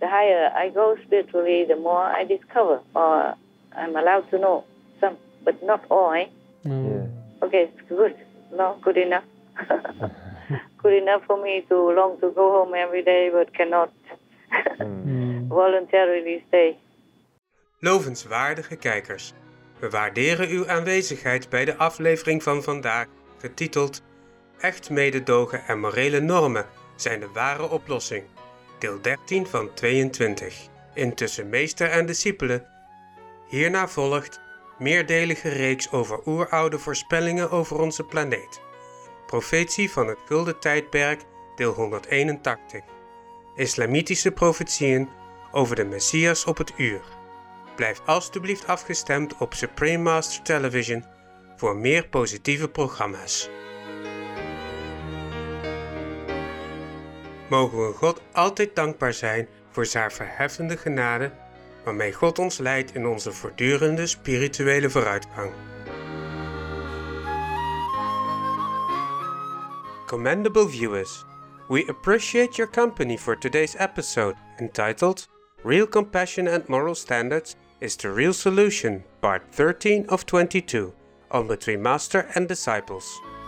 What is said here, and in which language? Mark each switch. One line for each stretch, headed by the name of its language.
English: The higher I go spiritually, the more I discover, or I'm allowed to know some, but not all, eh? Yeah. Okay, good. No, good enough. Good enough for me to long to go home every day, but cannot voluntarily stay.
Dutch: Lovenswaardige kijkers, we waarderen uw aanwezigheid bij de aflevering van vandaag, getiteld Echt mededogen en morele normen zijn de ware oplossing, deel 13 van 22, intussen meester en discipelen. Hierna volgt meerdelige reeks over oeroude voorspellingen over onze planeet. Profetie van het Gulden Tijdperk, deel 181. Islamitische profetieën over de Messias op het uur. Blijf alstublieft afgestemd op Supreme Master Television voor meer positieve programma's. Mogen we God altijd dankbaar zijn voor zijn verheffende genade, waarmee God ons leidt in onze voortdurende spirituele vooruitgang.
English: Commendable viewers, we appreciate your company for today's episode entitled Real Compassion and Moral Standards is the Real Solution, Part 13 of 22, on Between Master and Disciples.